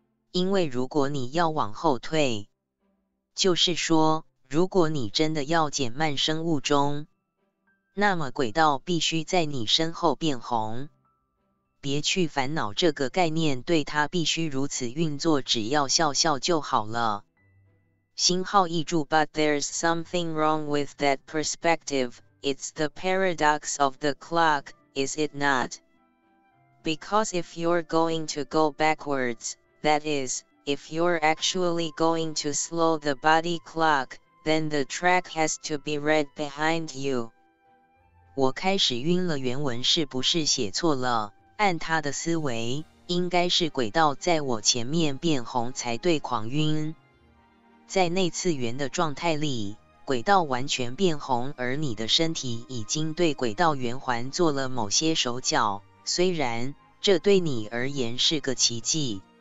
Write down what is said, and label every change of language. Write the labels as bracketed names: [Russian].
[Chinese] 因为如果你要往后退，就是说，如果你真的要减慢生物钟，那么轨道必须在你身后变红。别去烦恼这个概念，对它必须如此运作，只要笑笑就好了。星号译注 [English] But there's something wrong with that perspective, it's the paradox of the clock, is it not? Because if you're going to go backwards, that is, if you're actually going to slow the body clock, then the track has to be red behind you. [Chinese] 我开始晕了，原文是不是写错了？按他的思维，应该是轨道在我前面变红才对，狂晕。在那次圆的状态里，轨道完全变红，而你的身体已经对轨道圆环做了某些手脚，虽然这对你而言是个奇迹。